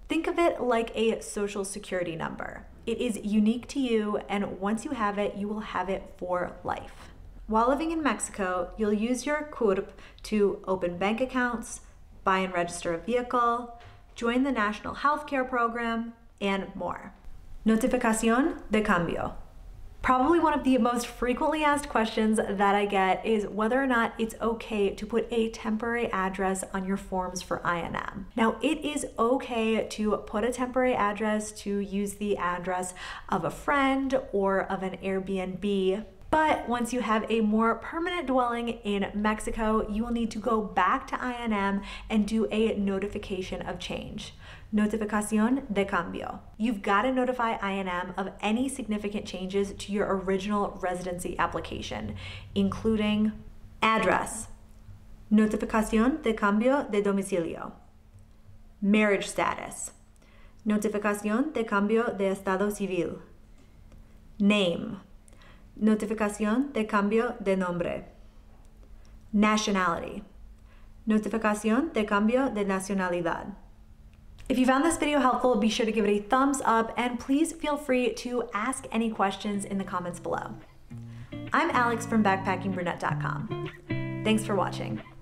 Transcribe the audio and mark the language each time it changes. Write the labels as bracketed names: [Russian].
[English] Think of it like a social security number. It is unique to you, and once you have it, you will have it for life. While living in Mexico, you'll use your CURP to open bank accounts, buy and register a vehicle, join the national healthcare program, and more. [Spanish] Notificación de cambio. [English] Probably one of the most frequently asked questions that I get is whether or not it's okay to put a temporary address on your forms for INM. Now, it is okay to put a temporary address, to use the address of a friend or of an Airbnb, but once you have a more permanent dwelling in Mexico, you will need to go back to INM and do a notification of change. [Spanish] Notificación de cambio. [English] You've got to notify INM of any significant changes to your original residency application, including address. [Spanish] Notificación de cambio de domicilio. [English] Marriage status. [Spanish] Notificación de cambio de estado civil. [English] Name. [Spanish] Notificación de cambio de nombre. [English] Nationality. [Spanish] Notificación de cambio de nacionalidad. [English] If you found this video helpful, be sure to give it a thumbs up and please feel free to ask any questions in the comments below. I'm Alex from BackpackingBrunette.com. Thanks for watching.